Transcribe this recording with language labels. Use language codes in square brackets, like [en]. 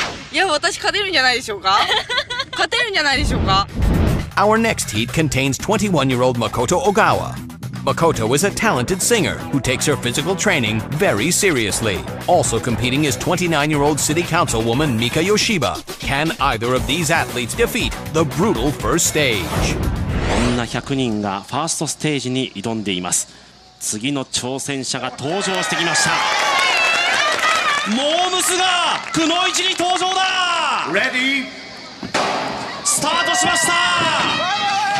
[ja] いや私勝てるんじゃないでしょうか勝てるんじゃないでしょうか。 [en] Our next heat contains 21-year-old Makoto OgawaMakoto is a talented singer who takes her physical training very seriously. Also competing is 29-year-old city councilwoman Mika Yoshiba. Can either of these athletes defeat the brutal first stage? [ja] 女100人がファーストステージに挑んでいます。次の挑戦者が登場してきました。モームスがくの一に登場だ。 [en] Ready? [ja] スタートしました。